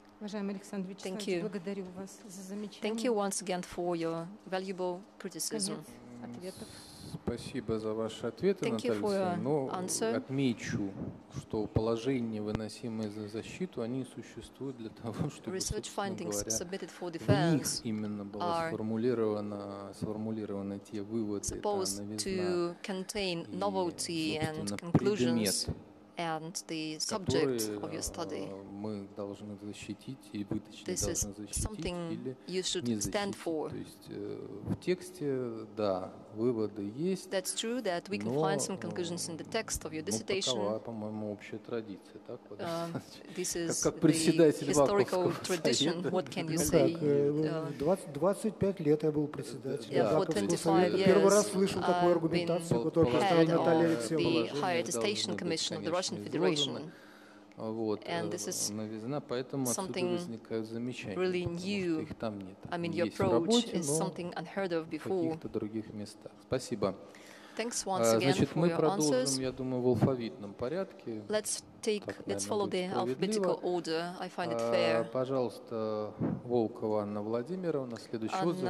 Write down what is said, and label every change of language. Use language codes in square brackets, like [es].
[en] Thank you. Thank you once again for your valuable criticism. [ru] Спасибо за ваши ответы, Наталья. Но отмечу, что положения, выносимые за защиту, они существуют для того, чтобы, собственно говоря, в них именно было сформулировано те выводы, та новизна, и предмет, которые мы должны защитить и вытащить, должны защитить или не защитить. То есть в тексте, да, выводы есть. [en] That's true that we can find some conclusions in the text of your dissertation. [ru] Такова, по-моему, общая традиция, так? [en] This is the historical tradition. What can you say? [ru] 25 лет я был председателем. [en] Yeah, for 25 years. [ru] Первый раз слышал такую аргументацию, которую поставила Наталья Алексеевна. [en] The higher attestation commission of the Russian Federation. [ru] Вот, [en] and this is [ru] новизна, поэтому [en] something really new. [ru] Там нет. [en] I mean, your approach is something unheard of before. [ru] В каких-то других местах. Спасибо. [en] Thanks once again [ru] значит, [en] for your answers. [ru] Я думаю, в алфавитном порядке. [en] Let's follow the alphabetical order. I find it fair. [ru] Пожалуйста, Волкова Анна Владимировна, следующий отзыв.